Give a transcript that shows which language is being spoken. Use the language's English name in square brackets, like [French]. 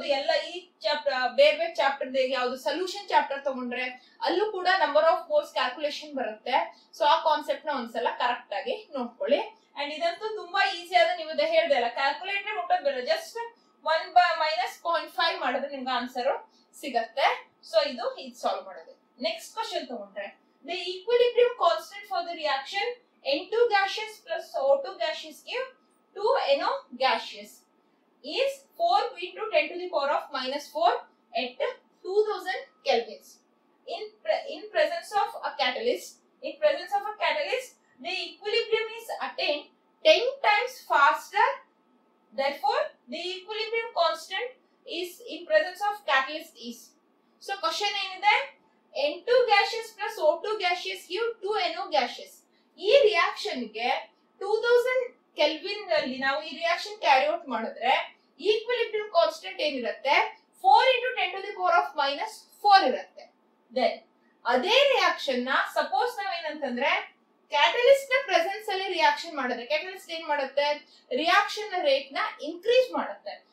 [Kannada] ಅದು ಎಲ್ಲ ಈ ಚಾಪ್ಟರ್ ಬೇರೆ ಬೇರೆ ಚಾಪ್ಟರ್ ಯಾವ್ದು ಸೊಲ್ಯೂಷನ್ ಚಾಪ್ಟರ್ ತಗೊಂಡ್ರೆ ಅಲ್ಲೂ ಕೂಡ ನಂಬರ್ ಆಫ್ ಮೋಲ್ಸ್ ಕ್ಯಾಲ್ಕುಲೇಷನ್ ಬರುತ್ತೆ. ಸೊ ಆ ಕಾನ್ಸೆಪ್ಟ್ ನ ಒಂದ್ಸಲ ಕರೆಕ್ಟ್ ಆಗಿ ನೋಡ್ಕೊಳ್ಳಿ. ಅಂಡ್ ಇದಂತೂ ತುಂಬಾ ಈಸಿ ಆದ ನೀವು ಇದೇ ಹೇಳ್ದೆ ಅಲ್ಲ, ಕ್ಯಾಲ್ಕುಲೇಟರ್ ಮುಟ್ಟೋದ್ ಬೇಡ, ಜಸ್ಟ್ 1 − 0.5 ಮಾಡಿದ್ರೆ ನಿಮ್ಗೆ ಆನ್ಸರ್ ಸಿಗತ್ತೆ. ಸೊ ಇದು ಇದ್ ಸಾಲ್ವ್ ಮಾಡೋದು. [English] Next question ತಗೊಂಡ್ರೆ the equilibrium constant for the reaction N2 gaseous + O2 gaseous give 2 NO gaseous is 4V2 × 10⁻⁴ at 2000 kelvins in presence of a catalyst. In presence of a catalyst the equilibrium is attained 10 times faster. Therefore the equilibrium constant is in presence of catalyst is. So question enide N2 gaseous + O2 gaseous give 2 NO gaseous. [Kannada] ee reaction ge 2000 kelvin ನಲ್ಲಿ ನಾವು ಈ reaction carry out ಮಾಡಿದ್ರೆ equilibrium constant ಏನಿರುತ್ತೆ 4 × 10⁻⁴ ಇರುತ್ತೆ. Then ಅದೇ reaction ನ suppose ನಾವ್ ಏನಂತಂದ್ರೆ ಕ್ಯಾಟಲಿಸ್ಟ್ ನ ಪ್ರೆಸೆನ್ಸ್ ಅಲ್ಲಿ ರಿಯಾಕ್ಷನ್ ಮಾಡಿದ್ರೆ ಕ್ಯಾಟಲಿಸ್ಟ್ ಏನ್ ಮಾಡುತ್ತೆ, ರಿಯಾಕ್ಷನ್ ರೇಟ್ ನ ಇನ್ಕ್ರೀಸ್ ಮಾಡುತ್ತೆ.